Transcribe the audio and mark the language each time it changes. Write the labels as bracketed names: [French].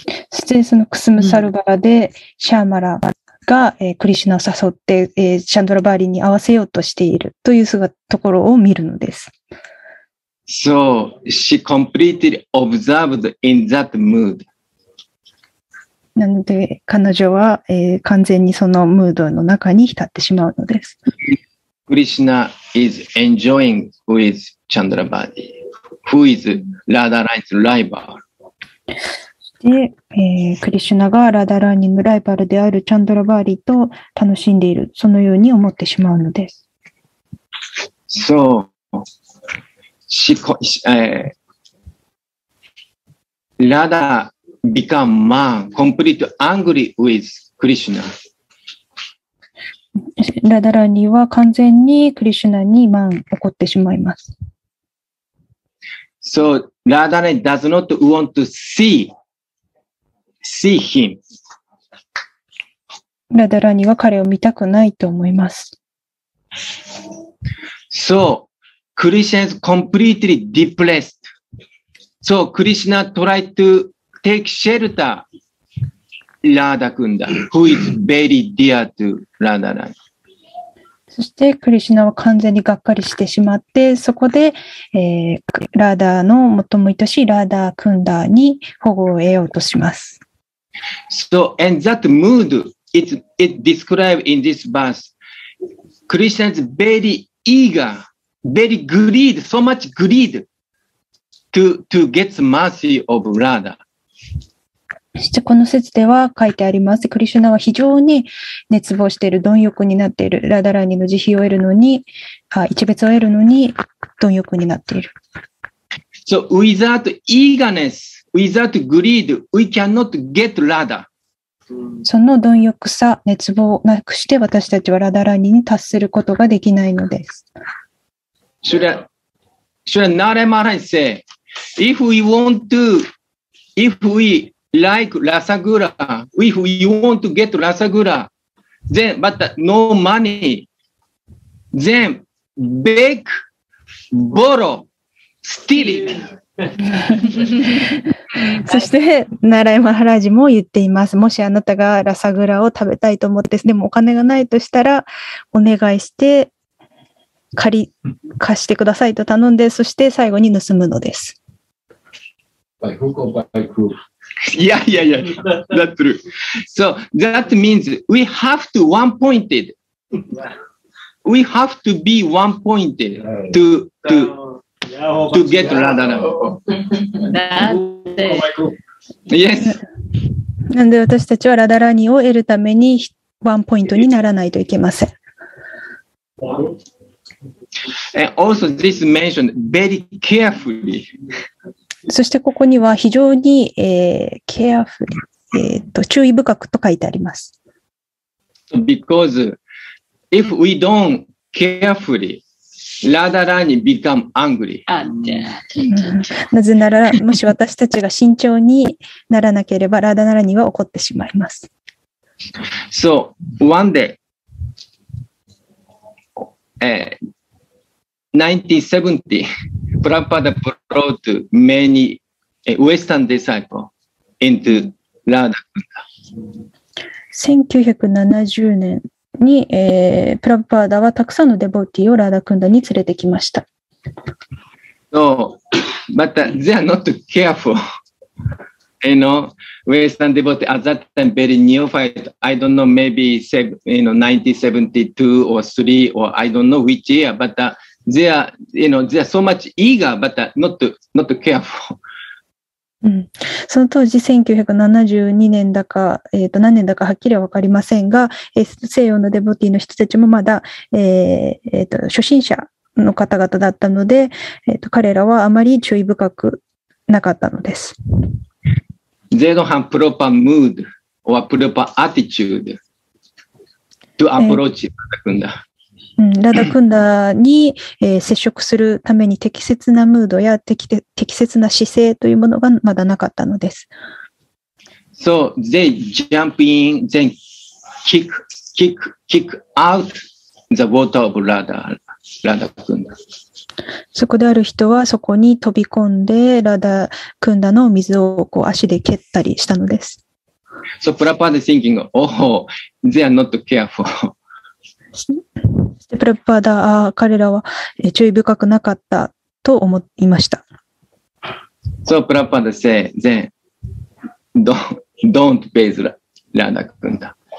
[Japanese] そしてそのクスムサルバラでシャーマラがクリシュナを誘ってシャンドラバーリに会わせようとしているというところを見るのです。 [English] So she completely observed in that mood. [Japanese] なので彼女は完全にそのムードの中に浸ってしまうのです。 [English] クリシュナ is enjoying with Chandrabari, who is Radharani's rival. [Japanese] で、クリシュナがラダラーニのライバルであるチャンドラバーリと楽しんでいる、そのように思ってしまうのです。 [English] So, Radha become man, completely angry with Krishna. [Japanese] ラダラーニは完全にクリシュナにマン怒ってしまいます。 [English] So, Radha does not want to see him. [Japanese] ラダラニは彼を見たくないと思います。 [English] So, Krishna is completely depressed. So, Krishna tried to take shelter Radha Kunda, who is very dear to Radha Rani. [Japanese] そして、クリシナは完全にがっかりしてしまって、そこで、ラーダーの最も愛しいラーダー・クンダーに保護を得ようとします。 [English] So, and that mood is described in this verse. Krishna is very eager, very greed, so much greed to get the mercy of Radha. [Japanese] そしてこの説では書いてあります。クリシュナは非常に熱望している、貪欲になっている。ラダラニの慈悲を得るのに、一別を得るのに貪欲になっている。 [English] So without eagerness, without greed, we cannot get Radha. [Japanese] その貪欲さ、熱望なくして私たちはラダラニに達することができないのです。 [English] Shri Narayana say, if we want to, if weLike Rasagura, if you want to get Rasagura, then, but no money, then beg, borrow, steal it. [Japanese] そして、ナライマハラジも言っています。もしあなたがラサグラを食べたいと思って、でもお金がないとしたら、お願いして、貸してくださいと頼んで、そして最後に盗むのです。 [English] By hook or by crook Yeah, yeah, yeah. That's true. So that means we have to one-pointed. We have to be one-pointed to get Radha. Yes. [Japanese] なんで私たちはラダラニを得るためにワンポイントにならないといけません。 [English] And also this mentioned very carefully. [Japanese] そしてここには非常に、ケアフル、注意深くと書いてあります。 [English] Because if we don't carefully, Radha Rani become angry. [Japanese] なぜなら、もし私たちが慎重にならなければ、ラダラニは怒ってしまいます。 [English] So, one day, 1970, Prabhupada brought many Western disciples into Radha Kunda. [Japanese] 1970年に、プラパーダはたくさんのデボーティーをラーダクンダに連れてきました。 [English] So, but they are not careful. You know, Western devotees at that time very neophyte. I don't know, maybe you know, 1972 or 3 or I don't know which year, but they are, you know, they are so much eager, but not careful. [Japanese] うん、その当時1972年だか、何年だかはっきりは分かりませんが、西洋のデボティの人たちもまだ、初心者の方々だったので、彼らはあまり注意深くなかったのです。 [English] They don't have proper mood or proper attitude to approach Radha Kunda. [Japanese] ラダクンダに、接触するために適切なムードや適切な姿勢というものがまだなかったのです。 [English] So they jump in, then kick out the water of Radha Kunda. [Japanese] そこである人はそこに飛び込んで、ラダクンダの水をこう足で蹴ったりしたのです。 [English] So Prabhupada is thinking, oh, they are not careful. [Japanese] プラパダ、彼らは注意深くなかったと思いました。 [English] So, プラパダ say, then, don't bathe Radha Kunda.